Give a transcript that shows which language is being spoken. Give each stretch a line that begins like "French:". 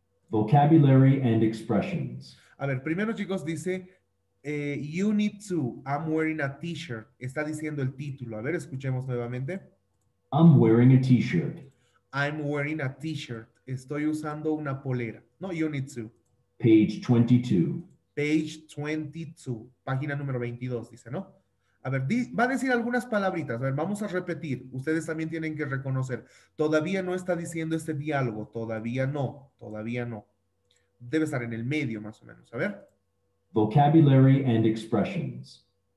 English: Vocabulary and expressions.
Spanish: A ver, primero, chicos, dice,
English: unit 2, I'm wearing a t-shirt.
Spanish: Está diciendo el título. A ver, escuchemos nuevamente.
English: I'm wearing a t-shirt. I'm wearing a t-shirt.
Spanish: Estoy usando una polera.
English: No, unit 2. Page 22. Page 22.
Spanish: Página número 22, dice, ¿no? A ver, va a decir algunas palabritas. A ver, vamos a repetir. Ustedes también tienen que reconocer. Todavía no está diciendo este diálogo. Todavía no. Todavía no. Debe estar en el medio, más o menos. A ver.
English: Vocabulary and expressions.